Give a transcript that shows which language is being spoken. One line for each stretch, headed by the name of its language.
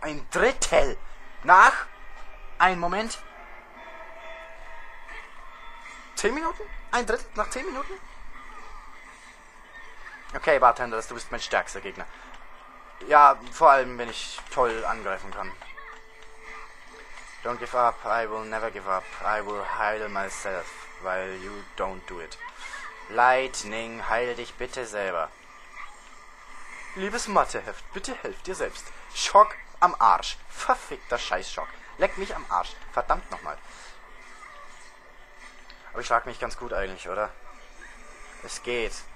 German: Ein Drittel! Nach! Einen Moment! 10 Minuten? Ein Drittel nach 10 Minuten? Okay, Bartender, du bist mein stärkster Gegner. Ja, vor allem, wenn ich toll angreifen kann.
English: Don't give up, I will never give up. I will heal myself, while you don't do it.
German: Lightning, heil dich bitte selber. Liebes Matheheft, bitte helf dir selbst. Schock am Arsch. Verfickter Scheißschock. Leck mich am Arsch. Verdammt nochmal. Aber ich schlag mich ganz gut eigentlich, oder? Es geht.